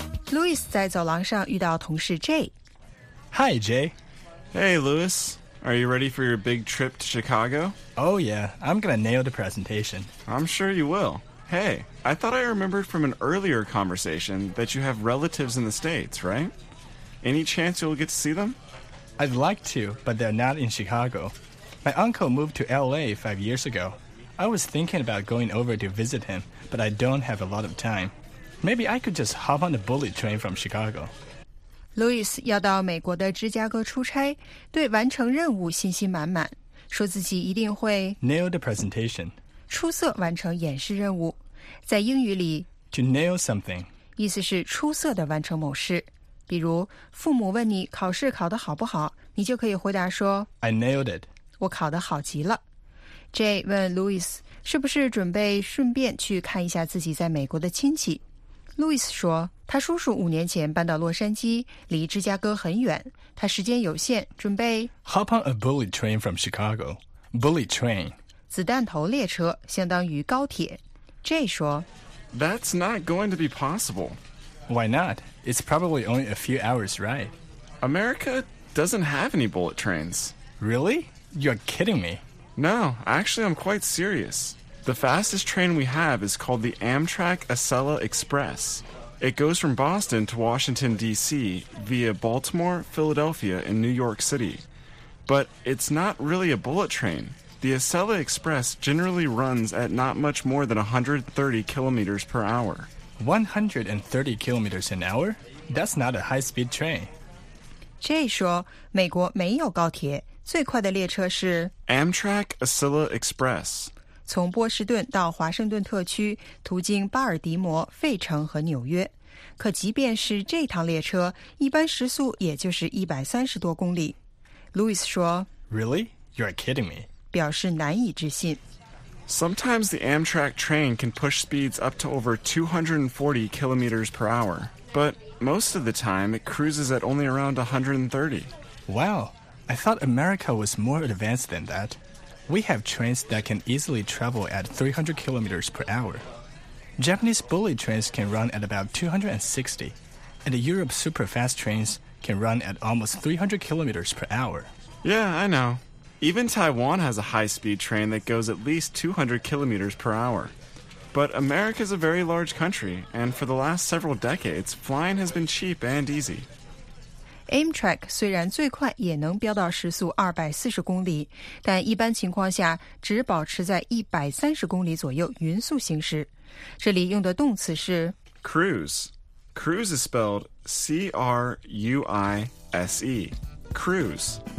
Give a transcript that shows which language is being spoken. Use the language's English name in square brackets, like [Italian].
[Chinese] Louis 在走廊上遇到同事 Jay。 [English] Hi, Jay. Hey, Louis. Are you ready for your big trip to Chicago? Oh, yeah. I'm going to nail the presentation. I'm sure you will. Hey, I thought I remembered from an earlier conversation that you have relatives in the States, right? Any chance you'll get to see them? I'd like to, but they're not in Chicago. My uncle moved to L.A. 5 years ago. I was thinking about going over to visit him, but I don't have a lot of time. Maybe I could just hop on the bullet train from Chicago. [Chinese] Louis 要到美国的芝加哥出差，对完成任务信心满满，说自己一定会 [English] nail the presentation， [Chinese] 出色完成演示任务。在英语里 [English] ，to nail something [Chinese] 意思是出色的完成某事。比如，父母问你考试考得好不好，你就可以回答说 [English] ，I nailed it， [Chinese] 我考得好极了。 Jay 问 Louis 是不是准备顺便去看一下自己在美国的亲戚。 Louis 说，他叔叔五年前搬到洛杉矶，离芝加哥很远，他时间有限，准备 [English] Hop on a bullet train from Chicago. Bullet train. [Chinese] 子弹头列车相当于高铁。 Jay 说 [English] That's not going to be possible. Why not? It's probably only a few hours ride. America doesn't have any bullet trains. Really? You're kidding me. No, actually I'm quite serious. The fastest train we have is called the Amtrak Acela Express. It goes from Boston to Washington, D.C. via Baltimore, Philadelphia, and New York City. But it's not really a bullet train. The Acela Express generally runs at not much more than 130 kilometers per hour. 130 kilometers an hour? That's not a high-speed train. [Chinese] Jay 说美国没有高铁，最快的列车是 [English] Amtrak Acela Express。 [Chinese] 从波士顿到华盛顿特区，途经巴尔的摩、费城和纽约。可即便是这趟列车，一般时速也就是130多公里。 Louis 说 [English] Really? You're kidding me. [Chinese] 表示难以置信。 [English] Sometimes the Amtrak train can push speeds up to over 240 kilometers per hour, but most of the time it cruises at only around 130. Wow, I thought America was more advanced than that. We have trains that can easily travel at 300 kilometers per hour. Japanese bullet trains can run at about 260, and Europe's super-fast trains can run at almost 300 kilometers per hour. Yeah, I know. Even Taiwan has a high-speed train that goes at least 200 kilometers per hour. But America is a very large country, and for the last several decades, flying has been cheap and easy. [Chinese] Amtrak 虽然最快也能飙到时速240公里，但一般情况下只保持在130公里左右匀速行驶。这里用的动词是 [English] Cruise. Cruise is spelled C-R-U-I-S-E. Cruise.